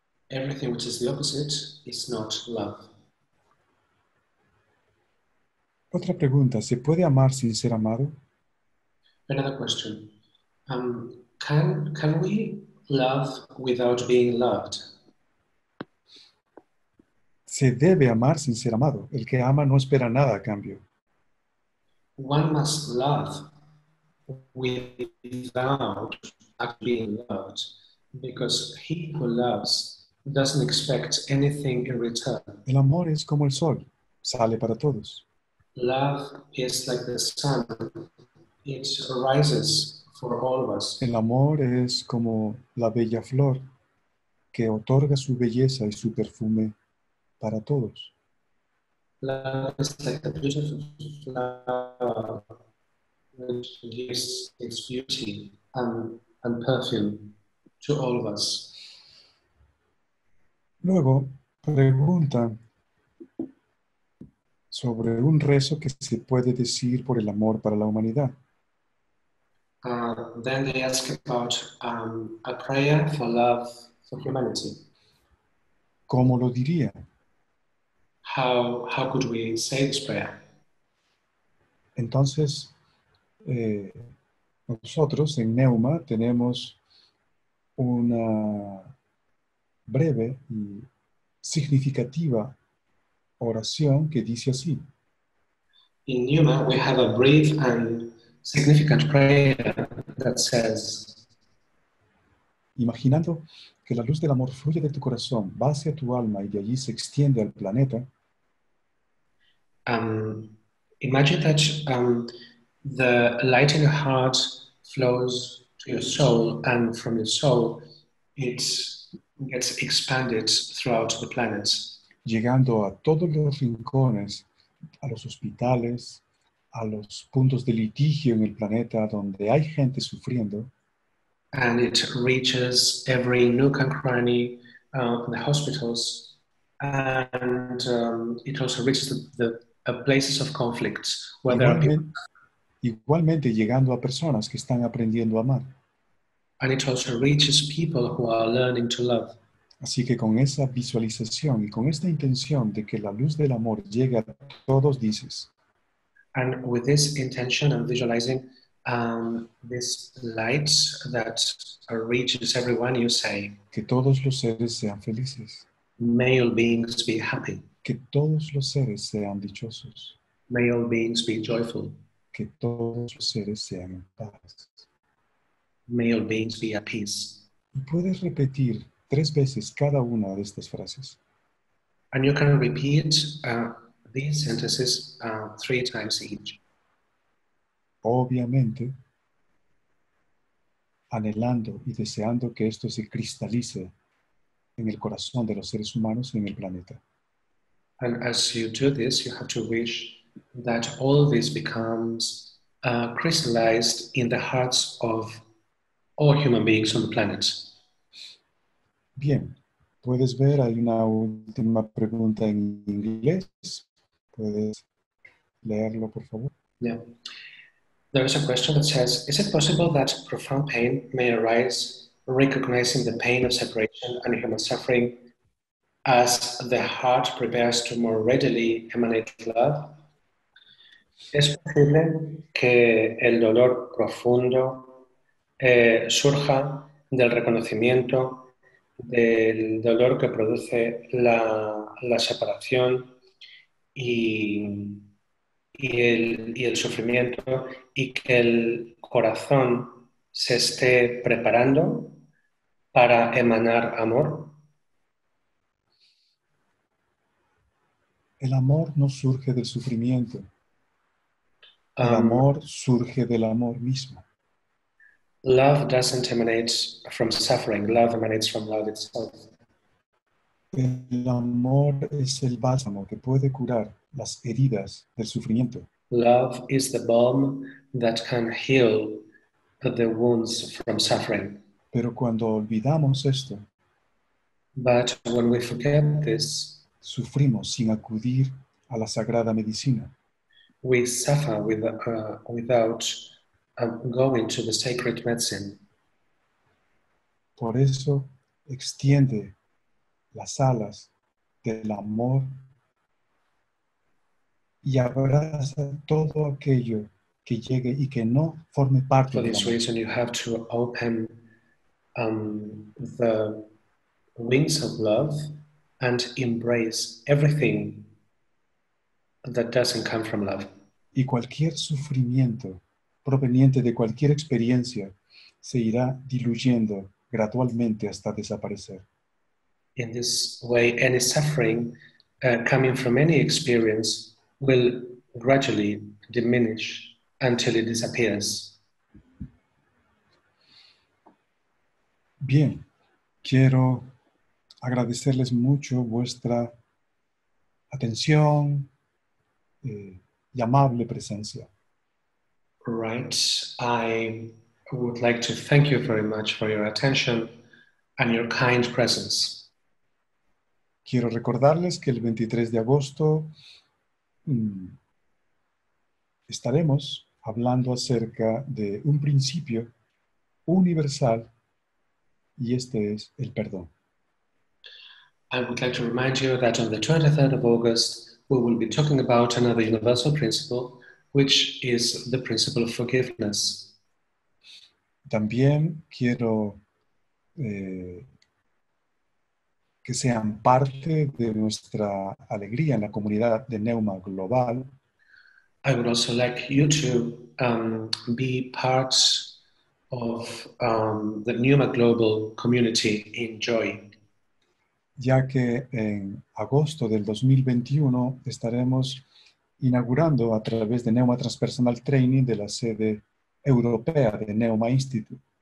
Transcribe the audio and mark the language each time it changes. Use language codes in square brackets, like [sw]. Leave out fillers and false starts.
[en] Everything which is the opposite is not love. [es] Otra pregunta, ¿se puede amar sin ser amado? [en] Another question. Can we love without being loved? [es] Se debe amar sin ser amado. El que ama no espera nada a cambio. [en] One must love without being loved, because he who loves doesn't expect anything in return. [es] El amor es como el sol, sale para todos. [en] Love is like the sun. It rises for all of us. [es] El amor es como la bella flor que otorga su belleza y su perfume para todos. [en] Love is like the beautiful flower that gives its beauty and perfume to all of us. [es] Luego, pregunta sobre un rezo que se puede decir por el amor para la humanidad. [en] Then they ask about a prayer for love for humanity. [es] ¿Cómo lo diría? [en] How could we say this prayer? [es] Entonces, nosotros en Neuma tenemos una breve y significativa oración que dice así. [en] In Neuma, we have a brief and significant prayer that says, [es] imaginando que la luz del amor fluye de tu corazón, va hacia tu alma y de allí se extiende al planeta. [en] Imagine that the light in your heart flows to your soul, and from your soul it gets expanded throughout the planet, [es] llegando a todos los rincones, a los hospitales, a los puntos de litigio en el planeta donde hay gente sufriendo. [en] And it reaches every nook and cranny in the hospitals, and it also reaches the places of conflicts where there are people. [es] Igualmente, igualmente llegando a personas que están aprendiendo a amar. [en] And it also reaches people who are learning to love. [es] Así que con esa visualización y con esta intención de que la luz del amor llegue a todos, dices. [en] And with this intention of visualizing this light that reaches everyone, you say, [es] que todos los seres sean felices. [en] May all beings be happy. [es] Que todos los seres sean dichosos. [en] May all beings be joyful. [es] Que todos los seres sean en paz. [en] May all beings be at peace. [es] Y puedes repetir tres veces cada una de estas frases. [en] And you can repeat these sentences three times each. [es] Obviamente, anhelando y deseando que esto se cristalice en el corazón de los seres humanos y en el planeta. [en] And as you do this, you have to wish that all of this becomes crystallized in the hearts of all human beings on the planet. [es] Bien, puedes ver, hay una última pregunta en inglés. Puedes leerlo, por favor. [en] Yeah. There is a question that says, is it possible that profound pain may arise recognizing the pain of separation and human suffering as the heart prepares to more readily emanate love? [es] ¿Es posible que el dolor profundo surja del reconocimiento del dolor que produce la separación y el sufrimiento y que el corazón se esté preparando para emanar amor? El amor no surge del sufrimiento. El amor surge del amor mismo. [en] Love doesn't emanate from suffering. Love emanates from love itself. [es] El amor es el bálsamo que puede curar las heridas del sufrimiento. [en] Love is the balm that can heal the wounds from suffering. [es] Pero cuando olvidamos esto, [en] but when we forget this, [es] sufrimos sin acudir a la sagrada medicina. [en] We suffer without going to the sacred medicine. [es] Por eso extiende las alas del amor y abraza todo aquello que llegue y que no forme parte del amor. [en] For this reason, you have to open the wings of love and embrace everything that doesn't come from love. [es] Y cualquier sufrimiento proveniente de cualquier experiencia se irá diluyendo gradualmente hasta desaparecer. [en] In this way, any suffering coming from any experience will gradually diminish until it disappears. [es] Bien, quiero agradecerles mucho vuestra atención y amable presencia. [en] Right. I would like to thank you very much for your attention and your kind presence. [es] Quiero recordarles que el 23 de agosto estaremos hablando acerca de un principio universal y este es el perdón. [en] I would like to remind you that on the 23rd of August, we will be talking about another universal principle, which is the principle of forgiveness. [es] También quiero que sean parte de nuestra alegría en la comunidad de Neuma Global. [en] I would also like you to be part of the Neuma Global community in joy. [es] Ya que en agosto del 2021 estaremos inaugurando a través de Neuma Transpersonal Training de la sede europea de Neuma Institute.